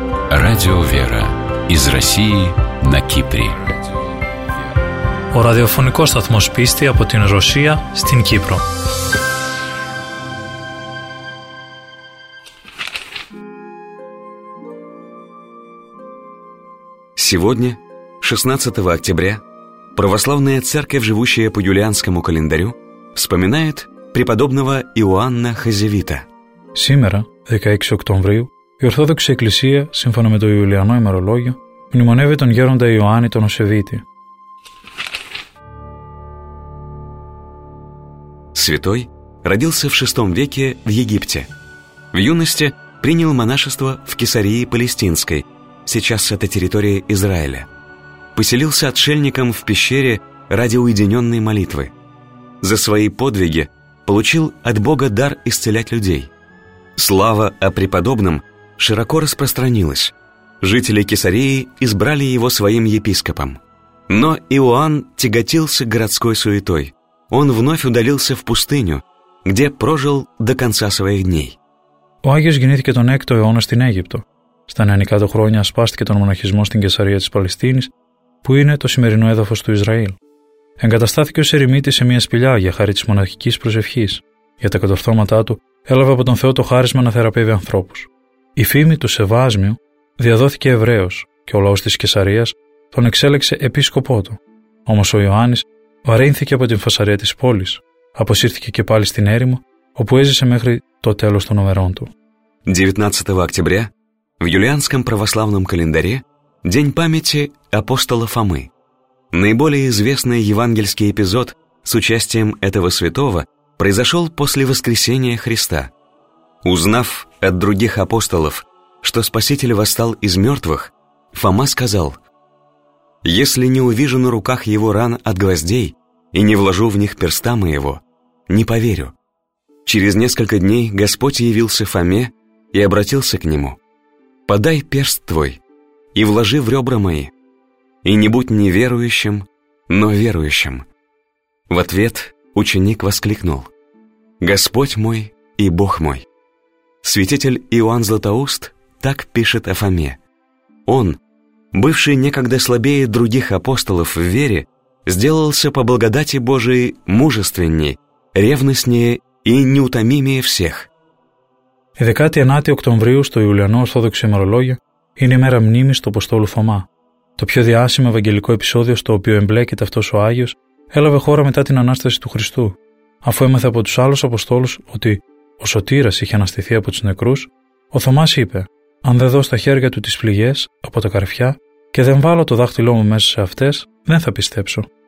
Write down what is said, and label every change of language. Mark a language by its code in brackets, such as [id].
[ru] Радио «Вера» из России на Кипре. [el] Ο ραδιοφωνικός σταθμός πίστη από την Ρωσία στην Κύπρο. [ru] Сегодня, 16 октября, православная церковь, живущая по юлианскому календарю, вспоминает преподобного Иоанна Хазевита. Сегодня, 16 октября, [el] η Ορθόδοξη Εκκλησία, σύμφωνα με το Ιουλιανό ημερολόγιο, μνημονεύει τον γέροντα Ιωάννη τον Χαζεβίτη. [ru] Святой родился в VI веке в Египте. В юности принял монашество в Кесарии Палестинской, сейчас это территория Израиля. Поселился отшельником в пещере ради уединенной молитвы. За свои подвиги получил от Бога дар исцелять людей. Слава о преподобном широко распространилась. Жители Кесарии избрали его своим епископом. Но Иоанн тяготился городской суетой. Он вновь удалился в пустыню, где прожил до конца своих дней. [el] Ο Άγιος γεννήθηκε τον 6ο αιώνα στην Αίγυπτο. Στα νεανικά του χρόνια ασπάστηκε τον μοναχισμό στην Κεσαρία της Παλαιστίνης, που είναι το σημερινό έδαφος του Ισραήλ. Εγκαταστάθηκε ως ερημίτη σε μια σπηλιά για χάρη της μοναχικής προσευχής. Για τα κατορθώματά του έλαβε από τον Θεό το χάρισμα να θεραπεύει ανθρώπους. Η φήμη του Σεβάσμιου διαδόθηκε ευρέως και ο λαός της Κεσαρίας τον εξέλεξε επίσκοπό του. Όμως ο Ιωάννης βαρύνθηκε από την φασαρία της πόλης, αποσύρθηκε και πάλι στην έρημο, όπου έζησε μέχρι το τέλος των ομερών του. 19 Οκτωβρίου, [ru] в юлианском православном календаре, день памяти апостола Фомы. Наиболее известный евангельский эпизод с участием этого святого произошел после воскресения Христа. Узнав от других апостолов, что Спаситель восстал из мертвых, Фома сказал: «Если не увижу на руках его ран от гвоздей и не вложу в них перста моего, не поверю». Через несколько дней Господь явился Фоме и обратился к нему: «Подай перст твой и вложи в ребра мои, и не будь неверующим, но верующим». В ответ ученик воскликнул: «Господь мой и Бог мой». Святитель Иоанн Златоуст так пишет о Фоме. Он, бывший некогда слабее других апостолов в вере, сделался по благодати Божией мужественней, ревностнее и неутомимее всех. [el] 19 Οκτωβρίου στο Ιουλιανό Ορθόδοξο ημερολόγιο είναι η μέρα μνήμης του Αποστόλου Φωμά. Το πιο διάσημο ευαγγελικό επεισόδιο στο οποίο εμπλέκεται αυτός ο Άγιος έλαβε χώρα μετά την Ανάσταση του Χριστού, αφού έμαθε από τους άλλους Αποστόλους ότι ο Σωτήρας είχε αναστηθεί από τους νεκρούς, ο Θωμάς είπε: «Αν δεν δω στα χέρια του τις πληγές από τα καρφιά και δεν βάλω το δάχτυλό μου μέσα σε αυτές, δεν θα πιστέψω».